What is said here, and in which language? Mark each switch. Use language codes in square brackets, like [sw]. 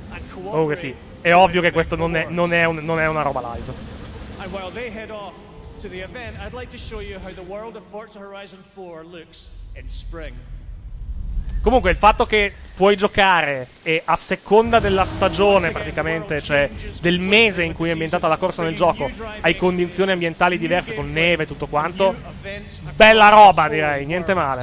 [it] Comunque sì, è ovvio che questo non è una roba live. [en] And while they head off to the event, I'd like to show you how the world of Forza Horizon 4 looks in spring. [it] Comunque il fatto che puoi giocare e a seconda della stagione, praticamente, cioè del mese in cui è ambientata la corsa nel gioco, hai condizioni ambientali diverse con neve e tutto quanto, bella roba, direi, niente male.